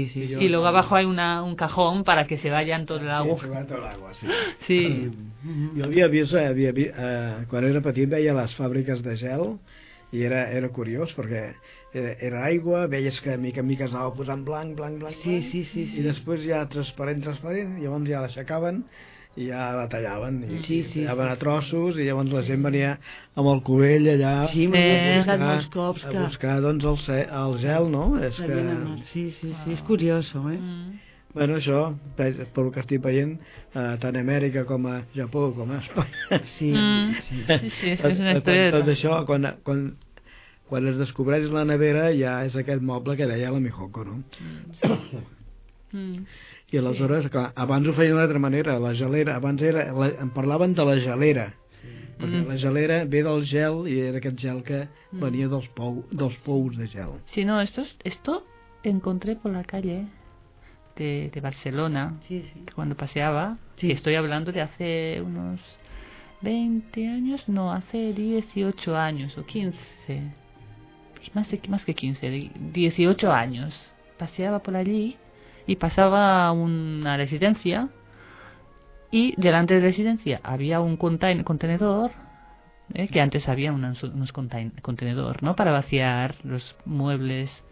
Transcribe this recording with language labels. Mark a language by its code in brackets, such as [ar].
[es] Y luego abajo hay un cajón para que se vaya todo el agua. Sí, se va todo el agua, sí. Sí. Yo había visto, cuando era [ca] petit veia [es] las fábricas de gel y era curioso porque era agua, [ca] veies que mica en mica estava posant blanc, blanc, [es] blanc. Sí. [ca] I després ja transparent, llavors ja l'aixecaven ja la tallaven i sí, sí, tallaven sí, a trossos i llavors la gent venia amb el cubell allà sí, a, buscar, molts cops que... a buscar doncs el gel, no? És que... Sí, sí, sí, és curiós, eh? Mm. Bueno, això, pel que estic veient, tant a Amèrica com a Japó, com a Espanya. Sí, sí, sí, és una estrella. Tot això, quan es descobreix la nevera, ja és aquest moble que deia la Mihoko, no? Sí. I aleshores, sí, clar, abans ho feien d'una altra manera, la gelera, abans era, em parlaven de la gelera. La gelera ve del gel i era aquest gel que venia dels pous de gel. [es] Sí, no, esto encontré por la calle de Barcelona, sí, sí, cuando paseaba, sí, y estoy hablando de hace unos 20 años, no, hace 18 años o 15, pues más que 15, 18 años, paseaba por allí y pasaba una residencia y delante de la residencia había un contenedor, que antes había unos contenedor, ¿no?, para vaciar los muebles.